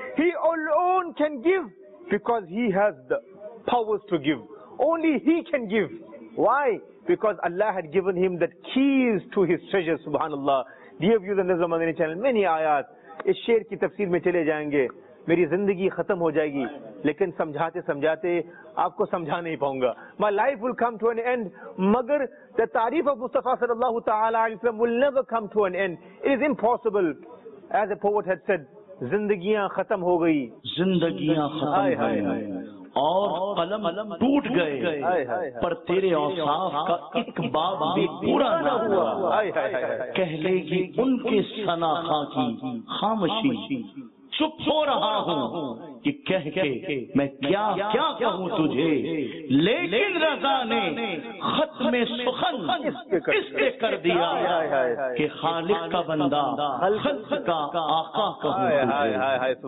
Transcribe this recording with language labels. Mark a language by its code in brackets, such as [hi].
[en] He alone can give because he has the powers to give. Only he can give. Why? Because Allah had given him the keys to his treasure, subhanallah. Dear viewers and listeners of Madani channel, many ayat. [ur] Is sher ki tafsir mein chale jayenge. میری زندگی ختم ہو جائے گی لیکن سمجھاتے سمجھاتے آپ کو سمجھا نہیں پاؤں گا. [en] My life will come to an end, [ur] مگر [en] the تعریف of مصطفیٰ صلی اللہ تعالی علیہ وسلم will never come to an end. It is impossible. As a poet had said, [ur] زندگیاں ختم ہو گئی, زندگیاں ختم ہو گئی اور قلم ٹوٹ گئے, پر تیرے اوصاف کا ایک باب بھی پورا نہ ہوا. کہہ لے گی ان کے ثنا خواہ کی خامشی, چپ ہو رہا ہوں کہ کہہ کے میں کیا کہوں تجھے, لیکن رضا نے ختم سخن اس پہ کر دیا کہ خالق کا بندہ خلق کا آقا کہوں تجھے.